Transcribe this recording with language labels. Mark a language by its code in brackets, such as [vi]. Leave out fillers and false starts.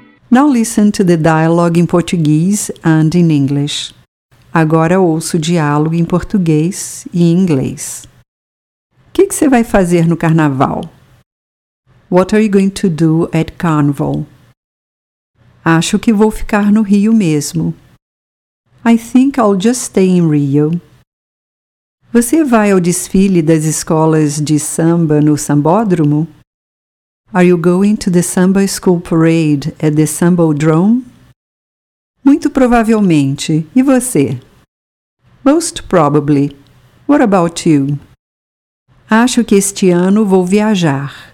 [en] Now listen to the dialogue in Portuguese and in English. [pt] Agora ouço o diálogo em português e em inglês. O que você vai fazer no carnaval? [en] What are you going to do at Carnival? [pt] Acho que vou ficar no Rio mesmo. [en] I think I'll just stay in Rio. [pt] Você vai ao desfile das escolas de samba no sambódromo? [en] Are you going to the Samba School Parade at the Sambodrome? [pt] Muito provavelmente. E você? [en] Most probably. What about you? [pt] Acho que este ano vou viajar.